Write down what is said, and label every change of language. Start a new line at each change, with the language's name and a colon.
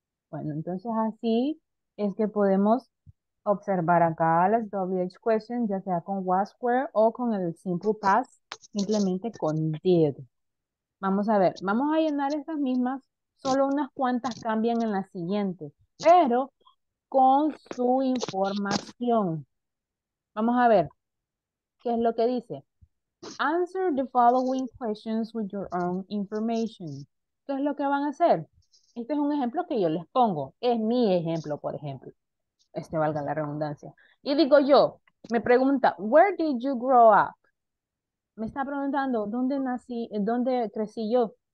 Spanish: Bueno, entonces así es que podemos observar acá las WH questions, ya sea con was, were o con el simple past, simplemente con did. Vamos a ver, vamos a llenar estas mismas, solo unas cuantas cambian en la siguiente, pero con su información. Vamos a ver, ¿qué es lo que dice?
English: Answer the following questions with your own information.
Spanish: ¿Qué es lo que van a hacer? Este es un ejemplo que yo les pongo. Es mi ejemplo, por ejemplo. Este valga la redundancia. Y digo yo, me pregunta,
English: where did you grow up?
Spanish: Me está preguntando, ¿dónde nací, dónde crecí yo?